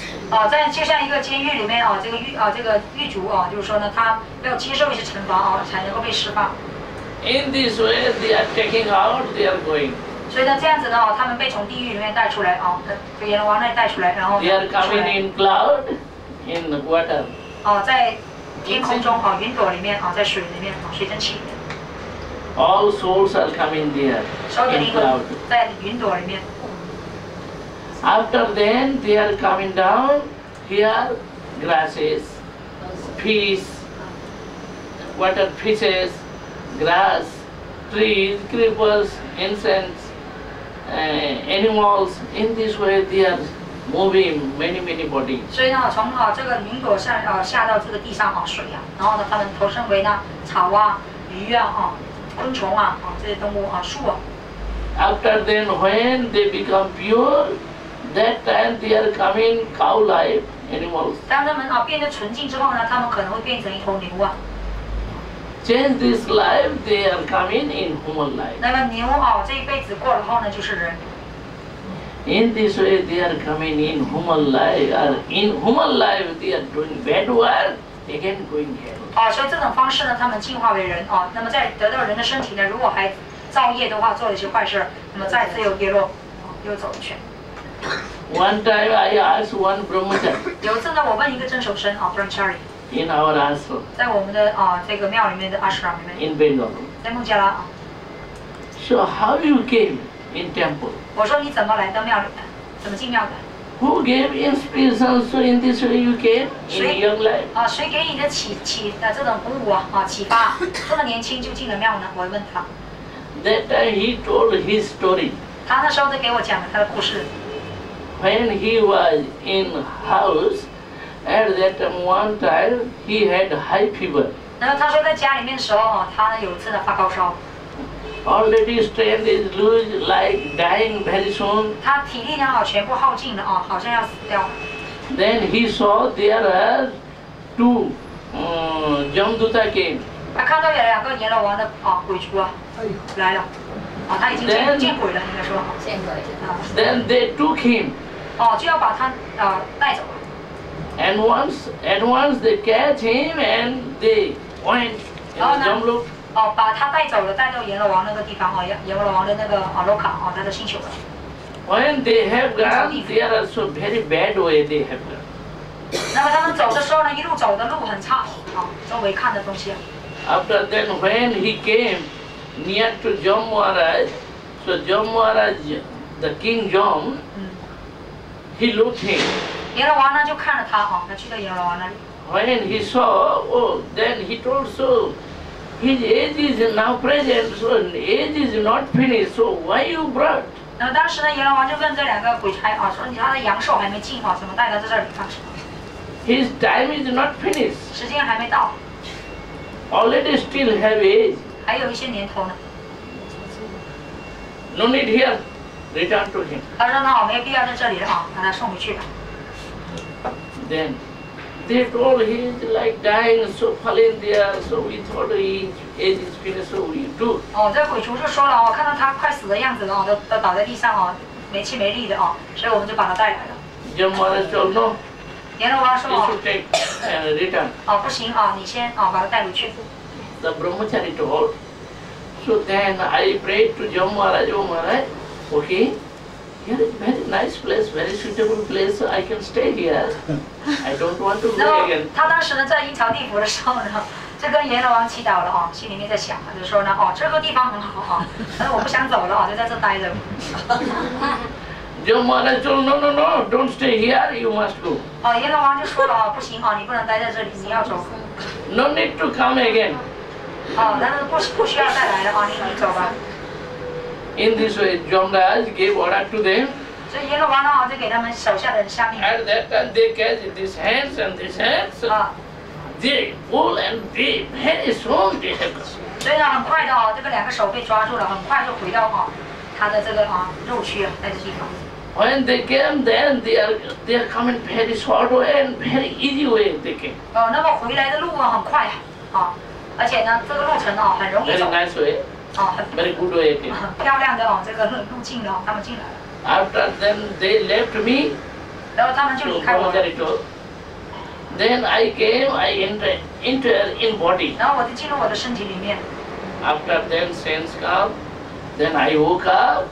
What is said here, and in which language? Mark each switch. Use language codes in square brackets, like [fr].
[zh] 啊，在就像一个监狱里面啊，这个狱卒啊，就是说呢，他要接受一些惩罚啊，才能够被释放。 [en] In this way, they are taking out, they are going. [zh] 所以呢，这样子的话，他们被从地狱里面带出来啊，被阎罗王那带出来，然后 [en] they are coming in cloud, in the water. [zh] 哦，在天空中啊，云朵里面啊，在水里面啊，水蒸气里面。 [en] All souls are coming there. [zh] 所有灵魂在云朵里面。 [en] After then, they are coming down. Here, grasses, fish, water fishes, grass, trees, creepers, incense. Animals in this way they are moving many body. [zh] 所以呢，从啊这个云朵上啊下到这个地上啊水啊，然后呢，他们投身为呢草啊、鱼啊、啊昆虫啊、啊这些动物啊、树啊。 [en] After then, when they become pure, that time they are coming cow life animals. [zh] 当他们啊变得纯净之后呢，他们可能会变成一头牛啊。 [en] Change this life, they are coming in human life. [zh] 那么牛啊，这一辈子过了后呢，就是人。 [en] In this way, they are coming in human life. Or in human life, they are doing bad work. They can go in hell. [zh] 啊，所以这种方式呢，他们进化为人啊。那么在得到人的身体呢，如果还造业的话，做了一些坏事，那么再次又跌落。又走去。 [en] One time I asked one brahmachari. [zh] 有一次呢，我问一个正守生啊 ，brahmachari。 [en] In our ashram. [zh] 在我们的啊这个庙里面的 ashram 里面。 [en] In Bengal. [zh] 在孟加拉啊。 [en] So how you came in temple? [zh] 我说你怎么来到庙里的？怎么进庙的？ [en] Who gave inspiration? So in this way you came in young life. [zh] 啊，谁给你的启这种鼓舞啊？啊，启发，这么年轻就进了庙呢？我问他。 [en] That time he told his story. [zh] 他那时候都给我讲了他的故事。 [en] When he was in house, at that time one time he had high fever. [zh] 然后他说在家里面的时候啊，他有一次的发高烧。 [en] Already strength is lose, like dying very soon. [zh] 他体力呢全部耗尽了啊，好像要死掉。 [en] Then he saw there are two, Jamduta came. [zh] 他看到有两个阎罗王的啊鬼畜啊，来了，啊他已经 见鬼了，应该说。见鬼。 [en] Then they took him. [zh] 哦，就要把他带走。 [en] And once, at once they catch him and they went in the jungle. [zh] 哦，把他带走了，带到阎罗王那个地方啊，阎罗王的那个啊洛卡啊，他的星球了。 [en] When they have gone, they are also very bad way they have gone. [zh] 那么他们走的时候呢，一路走的路很差啊，周围看的东西。 [en] After then, when he came near to Jamwaraj, so Jamwaraj, the king Jam,、he looked him. [zh] 阎罗王呢就看着他啊，他去到阎罗王那里。 [en] When he saw, then he told so. His age is now present, so age is not finished. So why you brought? [zh] 那当时呢，阎罗王就问这两个鬼差啊，说你他的阳寿还没尽啊，怎么带他在这里干什么 [en] ？His time is not finished. [zh] 时间还没到。 [en] Already still have age. [zh] 还有一些年头呢。 [en] No need here. Return to him. [zh] 他说那我没必要在这里了啊，把他送回去吧。 [en] Then. They told he is like dying, so falling there. So we thought he is finished. So we do. [zh] 哦，这鬼畜就说了哦，看到他快死的样子了哦，都倒在地上哦，没气没力的哦，所以我们就把他带来了。阎罗王说 [en] no. [zh] 阎罗王说哦。 [en] You should take and return. [zh] 哦，不行啊，你先啊，把他带回去。 [en] The brahmachari told. So then I prayed to Jamwaraj, Oh Maharaj, okay. Here is very nice place, very suitable place. So I can stay here. I don't want to go again. [zh] 他当时呢，在阴曹地府的时候呢，就跟阎罗王祈祷了啊，心里面在想，就说呢，哦，这个地方很好啊，但是我不想走了啊，就在这待着。 [en] Jamwaraj told, no, no, no, don't stay here. You must go. [zh] 哦，阎罗王就说了啊，不行啊，你不能待在这里，你要走。 [en] No need to come again. [zh] 哦，但是不需要再来了啊，你走吧。 [en] In this way, Jamwaraj gave order to them. [zh] So, 阎罗王呢，就给他们手下的人下命。 [en] At that time, they catch these hands and these hands. They pull and they very soon they have gone. [zh] 所以呢，很快的哦，这个两个手被抓住了，很快就回到哦，他的这个啊肉躯啊那个地方。 [en] When they came, then they are coming very short way and very easy way they came. [zh] 哦，那么回来的路啊很快啊，而且呢，这个路程啊很容易走。 [en] Very nice way. 哦、 Very good way. [zh] 很漂亮的哦，这个路径哦，他们进来了。 [en] After then they left me. [zh] 然后他们就离开我 [en] 了。Then I came, I enter in body. [zh] 然后我就进入我的身体里面。 [en] After then sense come, then I woke up.